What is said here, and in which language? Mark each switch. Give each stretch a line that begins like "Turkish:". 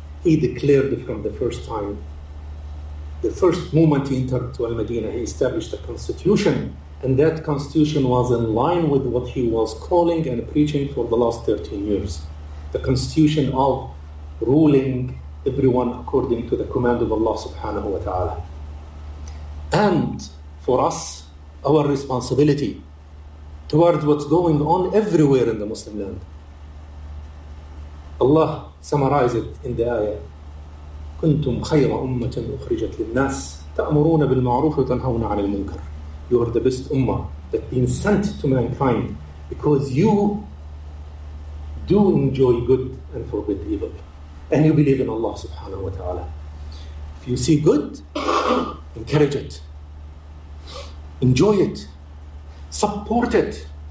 English: He declared from the first time, the first moment he entered to Al-Madinah, he established a constitution, and that constitution was in line with what he was calling and preaching for the last 13 years. The constitution of ruling everyone according to the command of Allah subhanahu wa ta'ala. And for us, our responsibility towards what's going on everywhere in the Muslim land. Allah summarized it in the ayah,
Arabic: كنتم خير أمة أخرجت للناس تأمرون بالمعروف وتنهون عن المنكر.
English: You are the best ummah that been sent to mankind because you do enjoy good and forbid evil, and you believe in Allah subhanahu wa ta'ala. If you see good, encourage it, enjoy it, support it.